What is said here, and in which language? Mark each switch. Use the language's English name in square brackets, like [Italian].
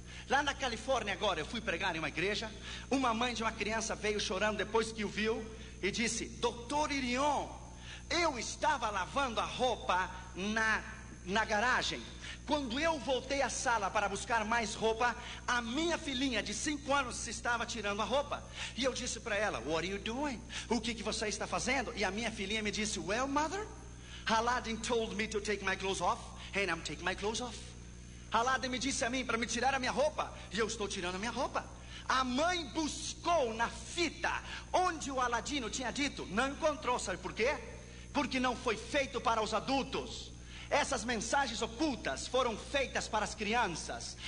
[Portuguese] Lá na Califórnia agora, eu fui pregar em uma igreja. Uma mãe de uma criança veio chorando depois que o viu e disse: doutor Irion, eu estava lavando a roupa na garagem. Quando eu voltei à sala para buscar mais roupa, a minha filhinha de 5 anos estava tirando a roupa. E eu disse para ela: [English] what are you doing? [Portuguese] O que você está fazendo? E a minha filhinha me disse: [English] well, mother, Aladdin told me to take my clothes off, and I'm taking my clothes off. [Portuguese] Aladdin me disse a mim para me tirar a minha roupa, e eu estou tirando a minha roupa. A mãe buscou na fita onde o Aladino tinha dito, não encontrou. Sabe por quê? Porque não foi feito para os adultos. Essas mensagens ocultas foram feitas para as crianças.